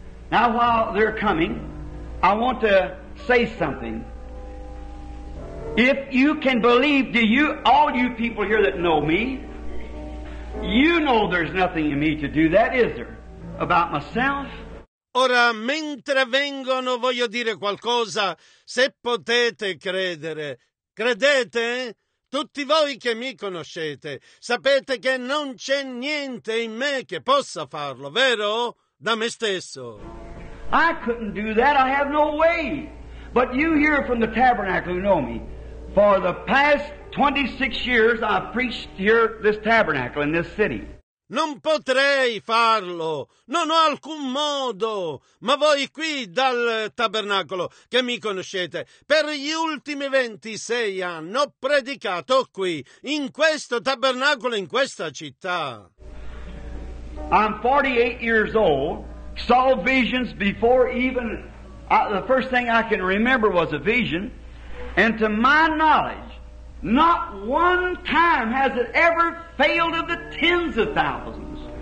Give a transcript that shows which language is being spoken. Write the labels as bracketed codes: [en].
[en] Now, while they're coming, I want to say something. If you can believe, do you, all you people here that know me, you know there's nothing in me to do that, is there? About myself? [it] Ora, mentre vengono, voglio dire qualcosa. Se potete credere, credete? Tutti voi che mi conoscete, sapete che non c'è niente in me che possa farlo, vero? Da me stesso. [en] I couldn't do that, I have no way. But you here from the tabernacle who know me, for the past 26 years I've preached here this tabernacle in this city. [it] Non potrei farlo, non ho alcun modo, ma voi qui dal tabernacolo che mi conoscete, per gli ultimi 26 anni ho predicato qui, in questo tabernacolo, in questa città. [en] I'm 48 years old, saw visions before even, the first thing I can remember was a vision, and to my knowledge, not one time has it ever failed of the tens of thousands.